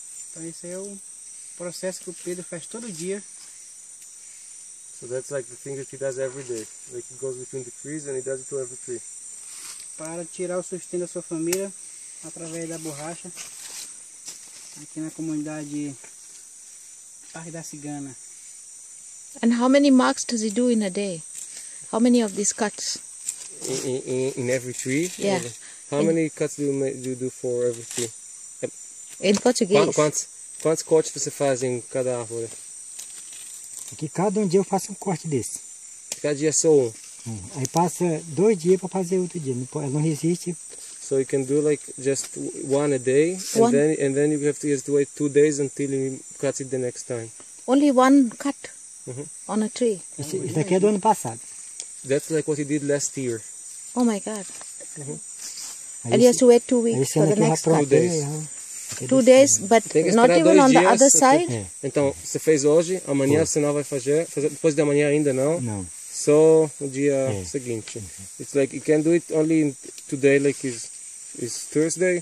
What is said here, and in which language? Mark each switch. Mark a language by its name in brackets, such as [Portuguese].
[Portuguese] Então esse é o processo que o Pedro faz todo dia. [English] So that's like the thing that he does every day. Like he goes between the trees and he does it to every tree. [Portuguese] Para tirar o sustento da sua família através da borracha aqui na comunidade Parque da Cigana. [English] And how many marks does he do in a day? How many of these cuts? In every tree? Yeah. How many cuts do you do for every tree? [Portuguese] Em português. Quantos cortes você faz em cada árvore? Aqui cada um dia eu faço um corte desse. Cada dia só um? Aí passa dois dias para fazer outro dia. Ela não resiste. [English] So you can do like just one a day, and then you have to just wait 2 days until you cut it the next time. Only one cut on a tree. [Portuguese] Isso aqui é do ano passado. [English] That's like what he did last year. Oh my God. And he has to wait 2 weeks for the next cut. 2 days. Two days, but not even on the other side. [Portuguese] Então, você fez hoje, amanhã você não vai fazer, depois de amanhã ainda não. Não. Só o dia seguinte. [English] It's like you can do it only today, like it's Thursday.